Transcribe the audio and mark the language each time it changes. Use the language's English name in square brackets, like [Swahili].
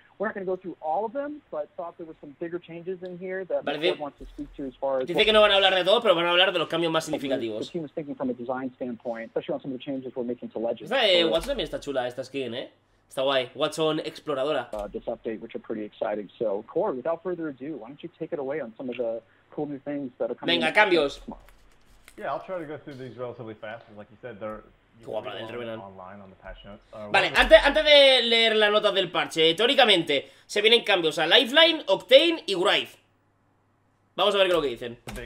[English] We're not going to go through all of them, but thought there were some bigger changes in here that the board wants to speak to as far as... [Spanish] Dice que no van a hablar de todo, pero van a hablar de los cambios más significativos. [English] The team is thinking from a design standpoint, especially on some of the changes we're making to Legends. [Spanish] Watson también está chula esta skin, Está guay. Watson Exploradora. [English] This update, which are pretty exciting. So, Core, without further ado, why don't you take it away on some of the cool new things that are coming... [Spanish] Venga, cambios. [English] Yeah, I'll try to go through these relatively fast. Like you said, they're... [Spanish] Vale, antes de leer las notas del parche, teóricamente se vienen cambios a Lifeline, Octane y Wraith. Vamos a ver qué es lo que dicen.